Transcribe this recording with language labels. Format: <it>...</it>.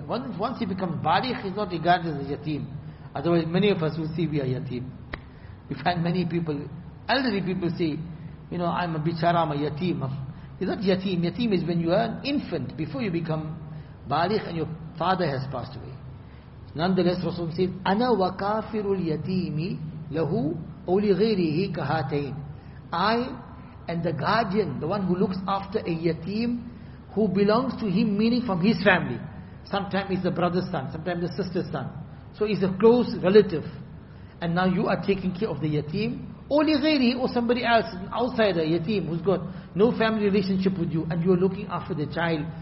<en>Once he becomes baligh, he's not regarded as a yateem. Otherwise, many of us will see we are yateem. We find many people, elderly people say, you know, I'm a bichara, I'm a yateem. It's not yateem. Yateem is when you are an infant, before you become baligh and your father has passed away. Nonetheless, Rasulullah says,</en> <ar>أَنَا وَكَافِرُ الْيَتِيمِ لَهُ أُولِغَيْرِهِ كَهَاتَيْنِ.</ar> <en>I and the guardian, the one who looks after a yateem, who belongs to him, meaning from his family. Sometimes it's the brother's son, sometimes the sister's son. So he's a close relative. And now you are taking care of the yateem, only ghairi, or somebody else, an outsider, yateem, who's got no family relationship with you, and you're looking after the child.</en>